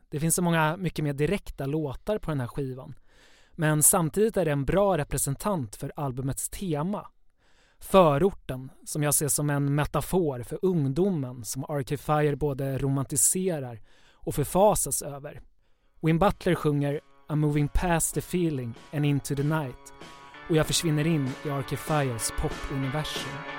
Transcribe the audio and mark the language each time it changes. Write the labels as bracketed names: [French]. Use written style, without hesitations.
[Swedish] Det finns så många mycket mer direkta låtar på den här skivan. Men samtidigt är det en bra representant för albumets tema. Förorten, som jag ser som en metafor för ungdomen som Arcade Fire både romantiserar och förfasas över. [English] Win Butler sjunger I'm moving past the feeling and into the night. [Swedish] Och jag försvinner in i Arcade Fires popuniversum.